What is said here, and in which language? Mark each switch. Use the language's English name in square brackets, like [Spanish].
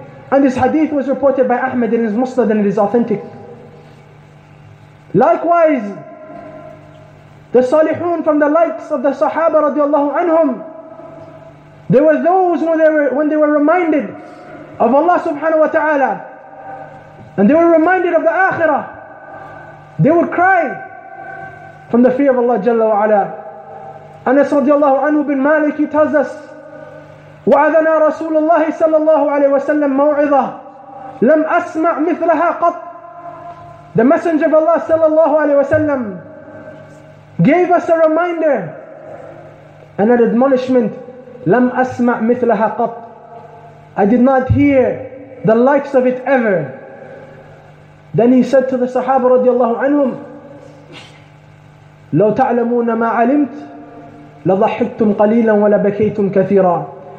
[English] And this hadith was reported by Ahmed in his Musnad, and it is authentic. Likewise, the Salihun, from the likes of the Sahaba radiallahu anhum, there were those when they were reminded of Allah subhanahu wa ta'ala, and they were reminded of the Akhirah, they would cry from the fear of Allah Jalla wa Ala. Anas radiallahu anhu bin Malik, he tells us, [Arabic] وَعَذَنَا رَسُولُ اللَّهِ صَلَّى اللَّهُ عَلَيْهِ وَسَلَّمْ مَوْعِظَةً لَمْ أَسْمَعْ مِثْلَهَا قَطْ. [English] The Messenger of Allah sallallahu alayhi wa sallam gave us a reminder and an admonishment, [Arabic] لَمْ أَسْمَعْ مِثْلَهَا قَطْ. [English] I did not hear the likes of it ever. Then he said to the Sahaba radiallahu anhum, [Arabic] لَوْ تَعْلَمُونَ مَا عَلِمْتْ لَضَحِكْتُمْ قَلِيلًا وَلَبَكَيْتُمْ كَثِيرًا.